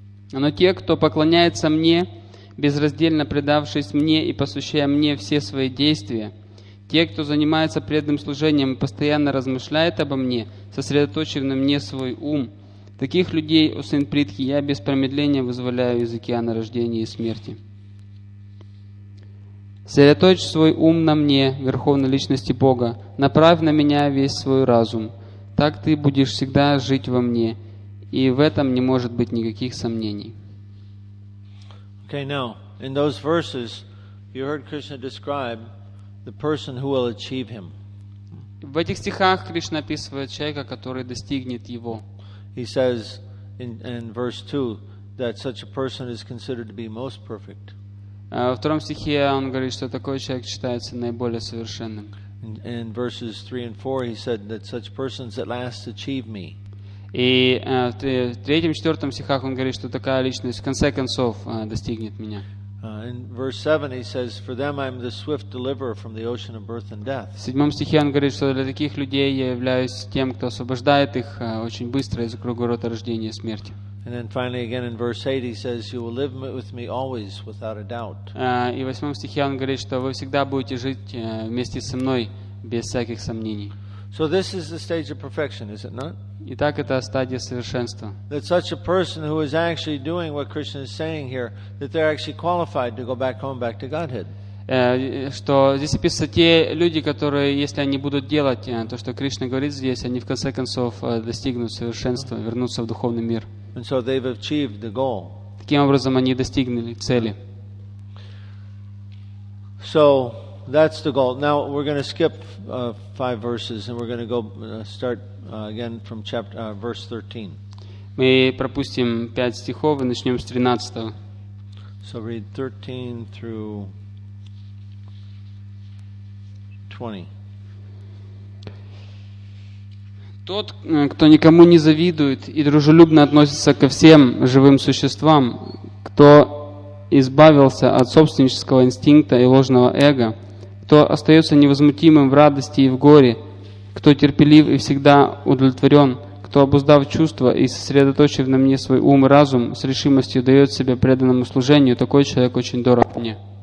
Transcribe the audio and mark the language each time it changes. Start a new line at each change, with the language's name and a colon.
Russian: Но те, кто поклоняется мне, безраздельно предавшись мне и посвящая мне все свои действия, те, кто занимается преданным служением и постоянно размышляет обо мне, сосредоточив на мне свой ум, таких людей, о сын Притхи, я без промедления вызволяю из океана рождения и смерти. Сосредоточь свой ум на мне, Верховной Личности Бога, направь на меня весь свой разум. Так ты будешь всегда жить во мне, и в этом не может быть никаких сомнений.
English: Okay, now, in those verses, you heard Krishna describe the person who will achieve him.
Russian: В этих стихах Кришна описывает человека, который достигнет его.
English: He says in verse 2 that such a person is considered to be most perfect.
Russian: Во втором стихе он говорит, что такой человек считается наиболее совершенным.
English: In verses 3 and 4 he said that such persons at last achieve me.
Russian: И в третьем, четвертом стихах он говорит, что такая личность в конце концов достигнет меня.
English: In verse 7 he says, for them I'm the swift deliverer from the ocean of birth and death.
Russian: В седьмом стихе он говорит, что для таких людей я являюсь тем, кто освобождает их очень быстро из круговорота рождения и смерти.
English: And then finally again in verse 8 he says, you will live with me always without a doubt.
Russian: И в восьмом стихе он говорит, что вы всегда будете жить вместе со мной без всяких сомнений.
English: So this is the stage of perfection, is it not?
Russian: Итак, это стадия совершенства.
English: That such a person who is actually doing what Krishna is saying here, that they're actually qualified to go back home, back to Godhead.
Russian: Что здесь описывается те люди, которые, если они будут делать то, что Кришна говорит здесь, они в конце концов достигнут совершенства, вернутся в духовный мир.
English: And so they've achieved the goal.
Russian: Таким образом, они достигли цели.
English: So that's the goal. Now we're going to skip five verses and we're going to go start again from chapter verse 13.
Russian: Мы пропустим пять стихов и начнем с 13.
English: So read 13 through 20.
Russian: Тот, кто никому не завидует и дружелюбно относится ко всем живым существам, кто избавился от собственнического инстинкта и ложного эго, кто остается невозмутимым в радости и в горе, кто терпелив и всегда удовлетворен, кто, обуздав чувства и сосредоточив на мне свой ум и разум, с решимостью дает себя преданному служению, такой человек очень дорог мне.